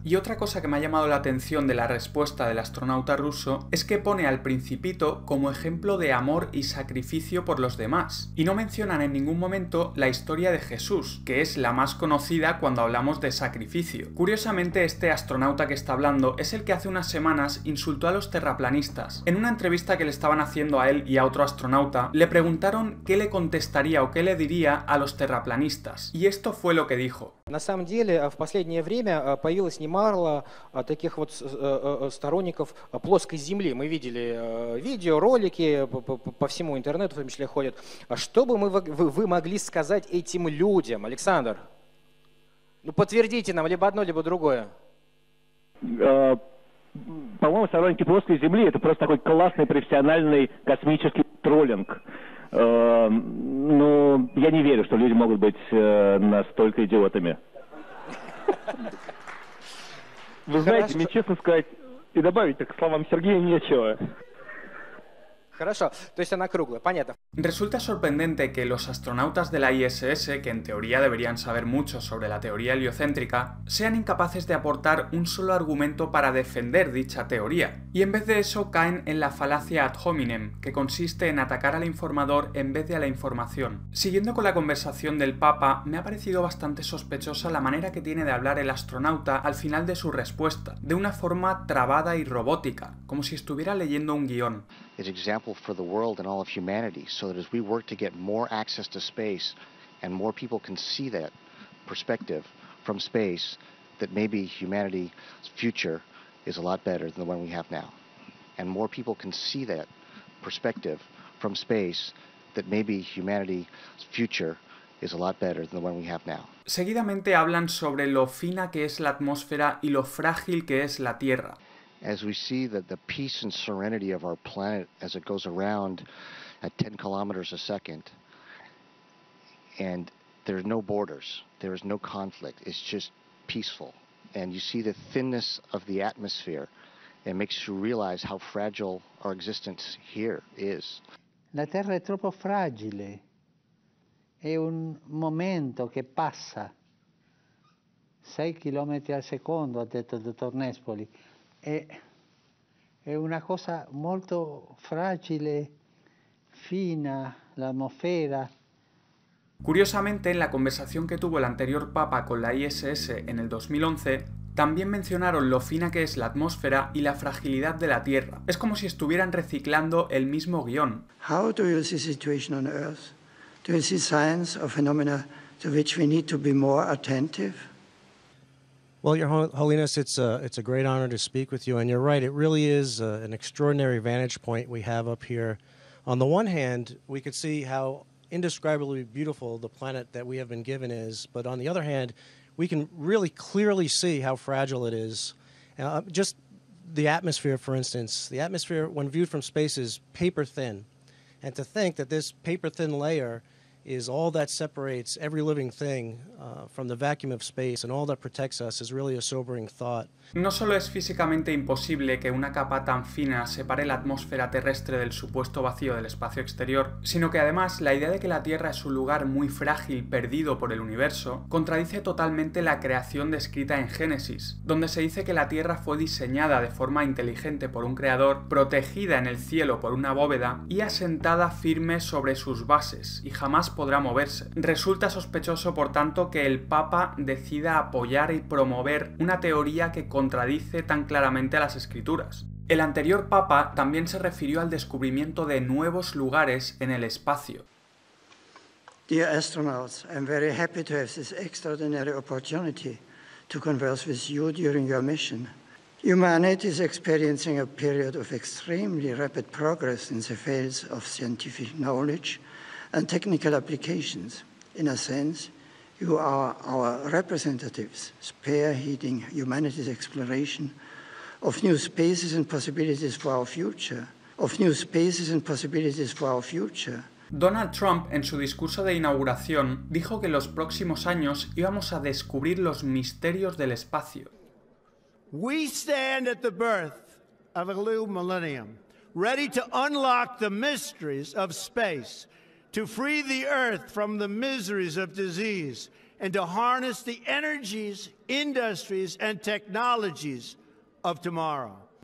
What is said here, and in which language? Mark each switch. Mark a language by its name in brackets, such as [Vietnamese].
[Spanish] Y otra cosa que me ha llamado la atención de la respuesta del astronauta ruso es que pone al Principito como ejemplo de amor y sacrificio por los demás, y no mencionan en ningún momento la historia de Jesús, que es la más conocida cuando hablamos de sacrificio. Curiosamente, este astronauta que está hablando es el que hace unas semanas insultó a los terraplanistas. En una entrevista que le estaban haciendo a él y a otro astronauta, le preguntaron qué le contestaría o qué le diría a los terraplanistas. Y esto fue lo que dijo. [Russian] На самом деле, в последнее время появилось немало таких вот сторонников плоской Земли. Мы видели видео, ролики по всему интернету, в том числе, ходят. Что бы вы могли сказать этим людям, Александр? Ну, подтвердите нам либо одно, либо другое. По-моему, сторонники плоской Земли — это просто такой классный профессиональный космический троллинг. Ну, я не верю, что люди могут быть настолько идиотами. Вы знаете, мне честно сказать, и добавить-то к словам Сергея нечего. Хорошо, то есть она круглая, понятно. [Spanish] Resulta sorprendente que los astronautas de la ISS, que en teoría deberían saber mucho sobre la teoría heliocéntrica, sean incapaces de aportar un solo argumento para defender dicha teoría. Y en vez de eso caen en la falacia ad hominem, que consiste en atacar al informador en vez de a la información. Siguiendo con la conversación del Papa, me ha parecido bastante sospechosa la manera que tiene de hablar el astronauta al final de su respuesta, de una forma trabada y robótica, como si estuviera leyendo un guión. [English] An example for the world and all of humanity, so that as we work to get more access to space and more people can see that perspective from space, that maybe humanity's future is a lot better than the one we have now. And more people can see that perspective from space, that maybe humanity's future is a lot better than the one we have now. [Spanish] Seguidamente hablan sobre lo fina que es la atmósfera y lo frágil que es la Tierra. [English] As we see that the peace and serenity of our planet as it goes around at 10 kilometers a second, and there's no borders, there is no conflict, it's just peaceful. And you see the thinness of the atmosphere, it makes you realize how fragile our existence here is. [Italian] La Terra è troppo fragile, è un momento che passa. 6 chilometri al secondo, ha detto il dottor Nespoli. È una cosa molto fragile, fina, l'atmosfera. [Spanish] Curiosamente, en la conversación que tuvo el anterior Papa con la ISS en el 2011, también mencionaron lo fina que es la atmósfera y la fragilidad de la Tierra. Es como si estuvieran reciclando el mismo guión. [English] How do you see the situation on Earth? Do you see signs or phenomena to which we need to be more attentive? Well, Your Holiness, it's a great honor to speak with you, and you're right. It really is an extraordinary vantage point we have up here. On the one hand, we could see how indescribably beautiful the planet that we have been given is, but on the other hand, we can really clearly see how fragile it is. Just the atmosphere, for instance, the atmosphere when viewed from space is paper thin. And to think that this paper thin layer is all that separates every living thing from the vacuum of space and all that protects us is really a sobering thought. [Spanish] No solo es físicamente imposible que una capa tan fina separe la atmósfera terrestre del supuesto vacío del espacio exterior, sino que además la idea de que la Tierra es un lugar muy frágil perdido por el universo contradice totalmente la creación descrita en Génesis, donde se dice que la Tierra fue diseñada de forma inteligente por un creador, protegida en el cielo por una bóveda y asentada firme sobre sus bases, y jamás podrá moverse. Resulta sospechoso, por tanto, que el Papa decida apoyar y promover una teoría que contradice tan claramente a las escrituras. El anterior Papa también se refirió al descubrimiento de nuevos lugares en el espacio. [English] Dear astronauts, I'm very happy to have this extraordinary opportunity to converse with you during your mission. Humanity is experiencing a period of extremely rapid progress in the fields of scientific knowledge and technical applications. In a sense, you are our representatives, spearheading humanity's exploration of new spaces and possibilities for our future. Of new spaces and possibilities for our future. [Spanish] Donald Trump, en su discurso de inauguración, dijo que en los próximos años íbamos a descubrir los misterios del espacio. [English] We stand at the birth of a new millennium, ready to unlock the mysteries of space, to free the earth from the miseries of disease, and to harness the energies, industries, and technologies of tomorrow.